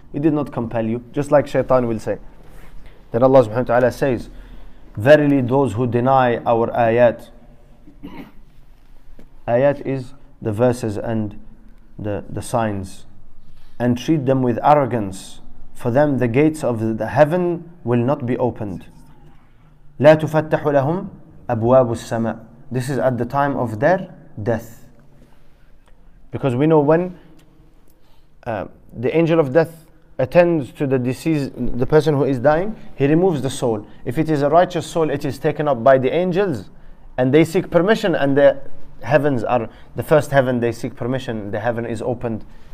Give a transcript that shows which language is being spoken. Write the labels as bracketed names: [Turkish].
[English] We did not compel you. Just like Shaitan will say. Then Allah subhanahu wa ta'ala says, verily those who deny our ayat. Ayat is the verses and the signs. And treat them with arrogance. For them the gates of the heaven will not be opened. [Arabic] لا تفتح لهم أبواب السماء. [English] This is at the time of their death. Because we know when the angel of death attends to the deceased, the person who is dying, he removes the soul. If it is a righteous soul, it is taken up by the angels and they seek permission, and the heavens are the first heaven, they seek permission, the heaven is opened.